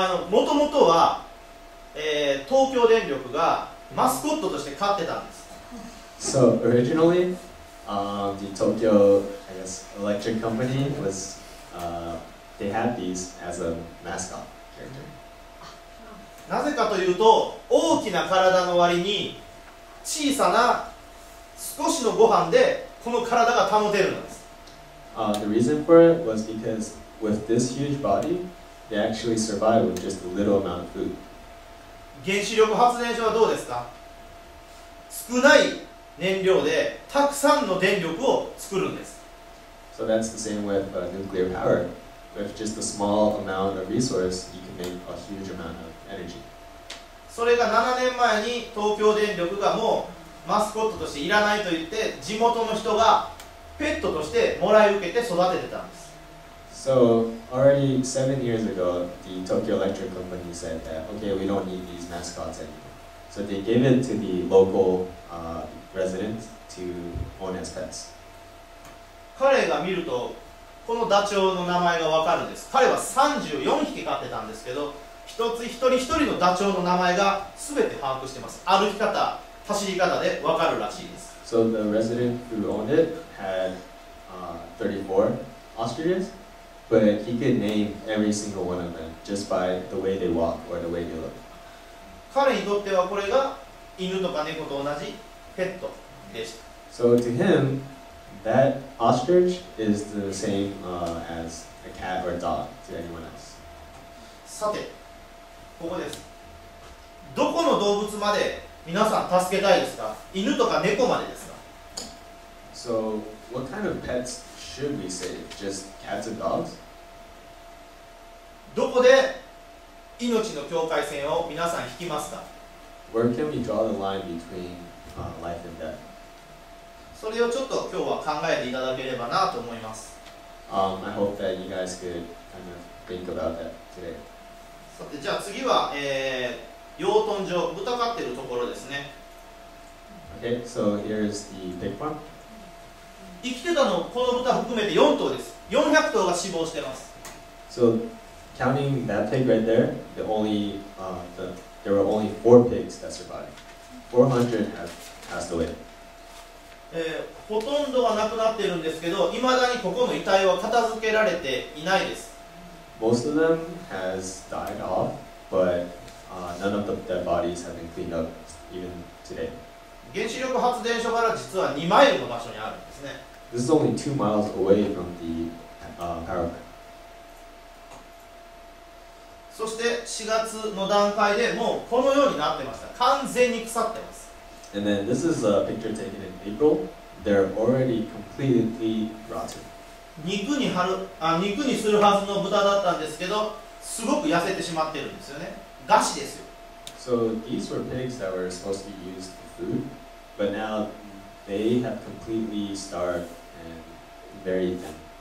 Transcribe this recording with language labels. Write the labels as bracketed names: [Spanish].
[Japanese] 元々は東京電力がマスコットとして飼ってたんです。 [English] So originally, the Tokyo, I guess, electric company was, they had these as a mascot character. [Japanese] なぜかというと、大きな体の割に小さな少しのご飯でこの体が保てるんです。 [English] The reason for it was because with this huge body, they actually survived with just a little amount of food. [Japanese] 原子力発電所はどうですか？少ない燃料でたくさんの電力を作るんです。 [English] So that's the same with nuclear power. With just a small amount of resource, you can make a huge amount of energy. [Japanese] それが7年前に東京電力がもうマスコットとしていらないと言って地元の人がペットとしてもらい受けて育ててたんです。 [English] So, already 7 years ago, the Tokyo Electric Company said that, okay, we don't need these mascots anymore. So they gave it to the local residents to own as pets. [Japanese] 彼が見ると、このダチョウの名前がわかるんです。彼は34匹飼ってたんですけど、一つ一人一人のダチョウの名前が全て把握してます。歩き方、走り方でわかるらしいです。 [English] So the resident who owned it had 34 ostriches? But he could name every single one of them just by the way they walk or the way they look. [Japanese] 彼にとってはこれが犬とか猫と同じペットでした。 [English] So to him, that ostrich is the same, as a cat or a dog to anyone else. [Japanese] さて、ここです。どこの動物まで皆さん助けたいですか？犬とか猫までですか？ [English] So what kind of pets should we save? Just cats and dogs? [Japanese] どこで命の境界線を皆さん引きますか？ [English] Where can we draw the line between, life and death? [Japanese] それをちょっと今日は考えていただければなと思います。 [English] I hope that you guys could kind of think about that today. [Japanese] さて、じゃあ次は、養豚場、豚飼ってるところですね。 [English] Okay, so here is the pig farm. [Japanese] 生きてたの、この豚含めて4頭です。 400頭が死亡してます。 [English] So,Counting that pig right there, the only, there were only 4 pigs that survived. 400 have passed away. [Japanese] ほとんどは亡くなっているんですけど、いまだにここの遺体は片付けられていないです。 [English] Most of them has died off, but, none of the dead bodies have been cleaned up even today. [Japanese] 原子力発電所から実は2マイルの場所にあるんですね。 [English] This is only 2 miles away from the power plant. [Japanese] そして4月の段階でもうこのようになってました。完全に腐ってます。 [English] And then this is a picture taken in April. They're already completely rotten. [Japanese] 肉にするはずの豚だったんですけど、すごく痩せてしまってるんですよね。ガシですよ。 [English] So these were pigs that were supposed to be used for food, but now they have completely starved and very thin.